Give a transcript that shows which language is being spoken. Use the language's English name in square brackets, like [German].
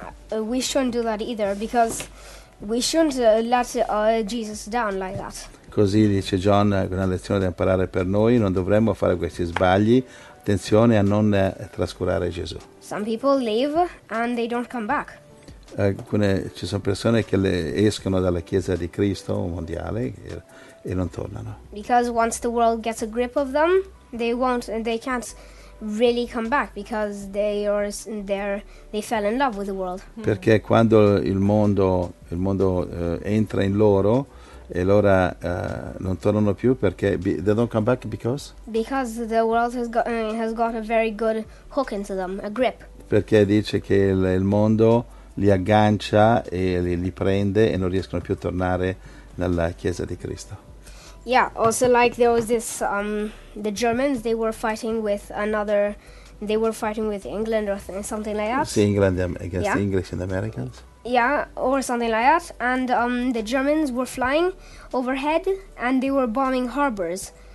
[English] We shouldn't do that either, because we shouldn't let Jesus down like that. [Italian] Così dice John, una lezione da imparare per noi, non dovremmo fare questi sbagli. Attenzione a non trascurare Gesù. [English] Some people leave and they don't come back. [Italian] Ci sono persone che escono dalla Chiesa di Cristo mondiale e non tornano. [English] Because once the world gets a grip of them, they can't really come back because they fell in love with the world. [Italian] Perché quando il mondo entra in loro, e allora non tornano più perché [English] they don't come back because the world has got a very good hook into them, a grip. [Italian] Perché dice che il mondo li aggancia e li prende e non riescono più a tornare nella Chiesa di Cristo. [English] Yeah, also like there was this the Germans, they were fighting with another, they were fighting with England or something like that. Sì, England against the English and Americans. Yeah, or something like that. And the Germans were flying overhead and they were bombing harbors.